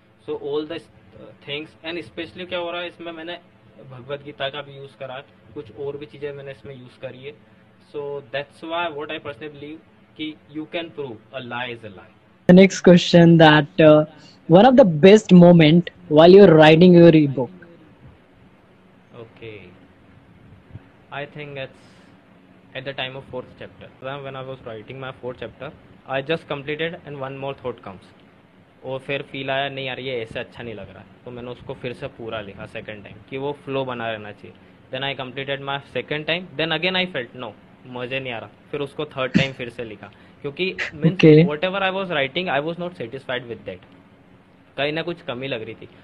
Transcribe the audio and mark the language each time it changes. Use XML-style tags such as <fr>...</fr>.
<en>so all the things, and specially</en> <hi>क्या हो रहा है इसमें, मैंने भगवद गीता का भी यूज करा, कुछ और भी चीजें मैंने इसमें यूज करी है.</hi> <en>so that's why what I personally believe</en> <hi>कि</hi> <en>You can prove a lie is a lie. Next question, that one of the best moment while you are writing your ebook. Okay, I think it's at the time of fourth chapter. When I was writing my fourth chapter, I just completed and one more thought comes.</en> <hi>और फिर feel आया नहीं यार ये ऐसे अच्छा नहीं लग रहा, तो मैंने उसको फिर से पूरा लिखा सेकेंड टाइम कि वो फ्लो बना रहना चाहिए.</hi> <en>then I completed my second time, then again I felt no</en> <hi>मजे नहीं आ रहा, फिर उसको थर्ड टाइम फिर से लिखा, क्योंकि</hi> <en>means whatever I was writing I was not satisfied with that,</en> <hi>कहीं ना कुछ कमी लग रही थी.</hi>